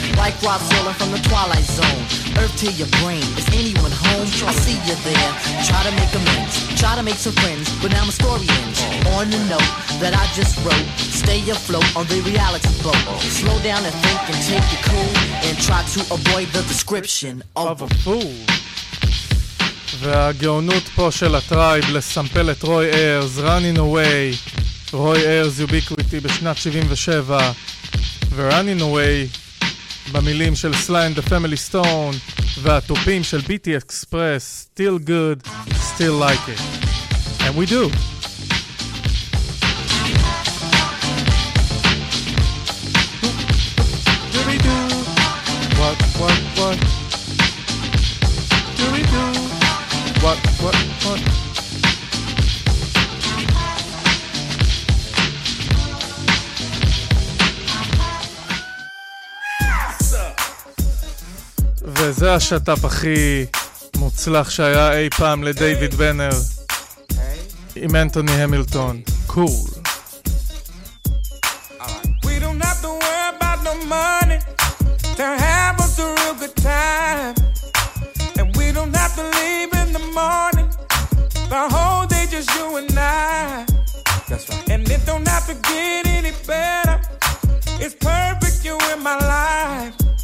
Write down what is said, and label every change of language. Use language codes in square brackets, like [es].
[en] Like Rob Zoller from the Twilight Zone. Earth to your brain, is anyone home? I see you there, try to make amends, try to make some friends, but now my story ends. On the note that I just wrote, stay afloat on the reality boat. Slow down and think and take it cool, and try to avoid the description of a fool. [he] והגאונות פה של הטרייב לסמפל את רוי איירס, Running Away. רוי איירס יוביקוויטי בשנת 77, ו-Running Away במילים של Sly and the Family Stone, והטופים של BT Express, Still Good, Still Like It. [en] And we do! [he] וזה השטאפ הכי מוצלח שהיה אי פעם לדייוויד בנר עם אנטוני המילטון. קול. [en] We don't have to worry about no money to have us a real good time. And we don't have to leave in the morning the whole day just you and I. And it don't have to get any better. It's perfect you in my life.